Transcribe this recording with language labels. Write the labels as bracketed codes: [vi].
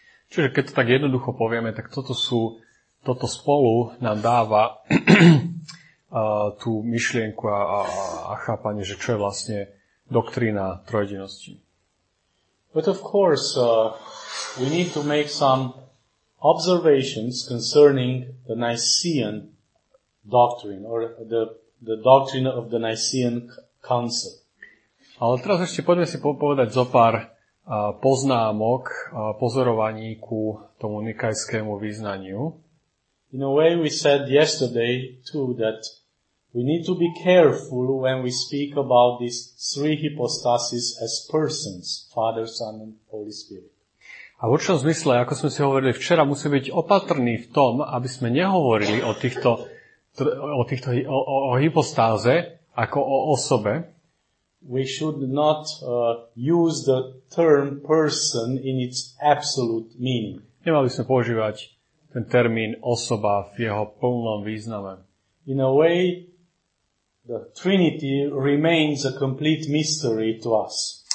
[sk] Čiže keď to tak jednoducho povieme, tak toto spolu nám dáva tú myšlienku a chápanie, že čo je vlastne doktrína trojedinosti. [en] But of course, we need to make some observations concerning the Nicene doctrine or the doctrine of the Nicene Council. [sk] Ale teraz ešte poďme si povedať zo pár poznámok a pozorovaní ku tomu nikajskému vyznaniu. [en] In a way we said yesterday too that we need to be careful when we speak about these three hypostases as persons, Father, Son and Holy Spirit. [sk] A v určitom zmysle, ako sme si hovorili včera, musíme byť opatrní v tom, aby sme nehovorili o hypostáze ako o osobe. [en] We should not use the term person in its absolute meaning. [sk] Nemali sme používať ten termín osoba v jeho plnom význame. [en] In a way, the Trinity remains a complete mystery to us.